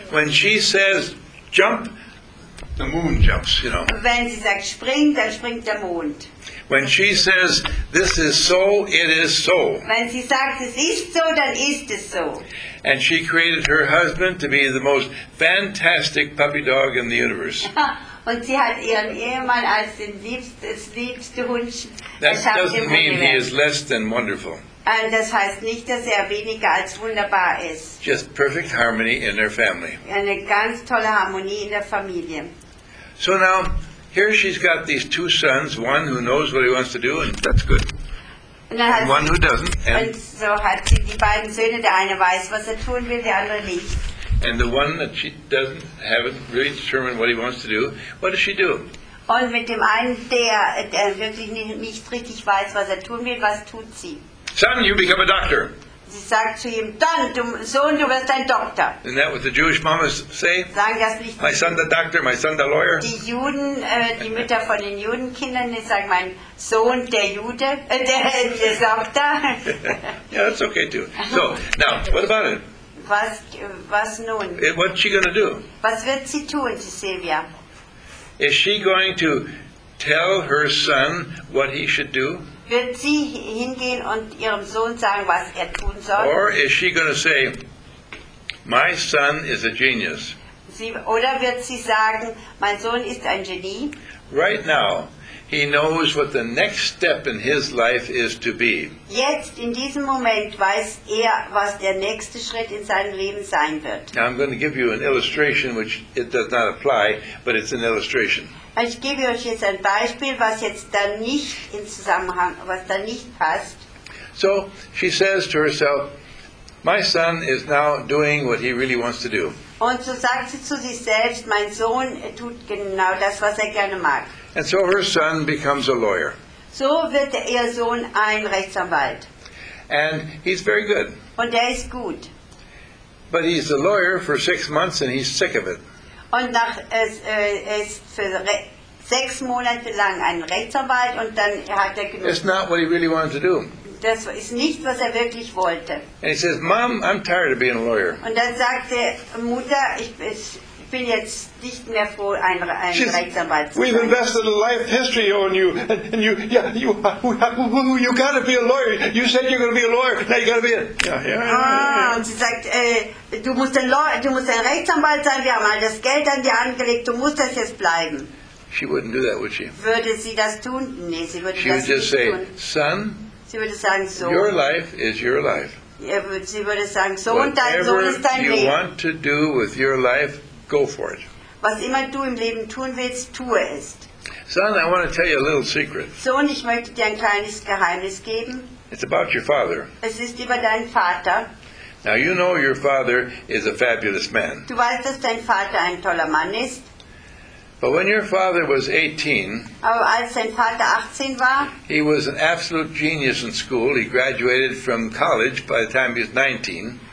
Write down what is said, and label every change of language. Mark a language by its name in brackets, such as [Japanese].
[English] When she says jump, the moon jumps, you know. [German] Wenn sie sagt spring, dann springt der Mond. [English] When she says this is so, it is so. [German] Wenn sie sagt es ist so, dann ist es so. [English] And she created her husband to be the most fantastic puppy dog in the universe. [German] Und sie hat ihren Ehemann als das liebste Hundchen. [English] That doesn't mean he is less than wonderful. [German] Und das heißt nicht, dass er weniger als wunderbar ist. [English] Just perfect harmony in their family. [German] Eine ganz tolle Harmonie in der Familie. [English] So now, here she's got these two sons, one who knows what he wants to do, and that's good. And one who doesn't. [German] Und so hat sie die beiden Söhne, der eine weiß, was tun will, der andere nicht. [English] And the one that she doesn't have really determined what he wants to do, what does she do? [German] Und mit dem einen, der wirklich nicht richtig weiß, was tun will, was tut sie? [English] Son, you become a doctor. [German] Sie sagt zu ihm, dann, du Sohn, du wirst ein Doktor. [English] Isn't that what the Jewish mamas say? [German] Sagen das nicht. [English] My son the doctor, my son the lawyer. [German] Die Juden, die Mütter von den Judenkindern, die sagen, mein Sohn, der Jude, der Doktor. [English] Yeah, that's okay too. So, now, what about it? [German] Was nun? [English] What's she going to do? [German] Was wird sie tun, Silvia? [English] Is she going to tell her son what he should do? [German] Wird sie hingehen und ihrem Sohn sagen, was tun soll? [English] Or is she going to say, my son is a genius? [German] Oder wird sie sagen, mein Sohn ist ein Genie? [English] Right now, he knows what the next step in his life is to be. [German] Jetzt, in diesem Moment, weiß er, was der nächste Schritt in seinem Leben sein wird. [English] Now I'm going to give you an illustration, which it does not apply, but it's an illustration. [German] Ich gebe euch jetzt ein Beispiel, was jetzt da nicht in Zusammenhang, was da nicht passt. [English] So, she says to herself, my son is now doing what he really wants to do. [German] Und so sagt sie zu sich selbst, mein Sohn tut genau das, was gerne mag. [English] And so her son becomes a lawyer. [German] So wird ihr Sohn ein Rechtsanwalt. [English] And he's very good. [German] Und ist gut. [English] But he's a lawyer for 6 months and he's sick of it. [German] Und ist für 6 Monate lang ein Rechtsanwalt und dann hat genug. [English] It's not what he really wanted to do. [German] Das ist nicht, was wirklich wollte. [English] And he says, Mom, I'm tired of being a lawyer. [German] Und dann sagt Mutter, ich bin jetzt nicht mehr froh, ein Rechtsanwalt zu sein. [English] We've invested a life history on you, and you, yeah, you got to be a lawyer. You said you're going to be a lawyer. Now you got to be a. [German] Und sie sagt, du musst ein Rechtsanwalt sein. Wir haben all das Geld an dir angelegt. Du musst das jetzt bleiben. [English] She wouldn't do that, would she? [German] Würde sie das tun? Nee, sie würde [English] she [German] das [English] would just [German] nicht [English] say, [German] tun. [English] Son. [German] Sie würde sagen, Sohn. [English] Your life is your life. [German] Sie würde sagen, Sohn, dein Sohn ist dein Leben. [English] Whatever you want to do with your life. Go for it. [German] Was immer du im Leben tun willst, tue es. [English] Son, I want to tell you a little secret. [German] Sohn, ich möchte dir ein kleines Geheimnis geben. [English] It's about your father. [German] Es ist über deinen Vater. [English] Now you know your father is a fabulous man. [German] Du weißt, dass dein Vater ein toller Mann ist. [English] But when your father was 18, [German] aber als sein Vater 18 war, [English] he was an absolute genius in school. He graduated from college by the time he was 19.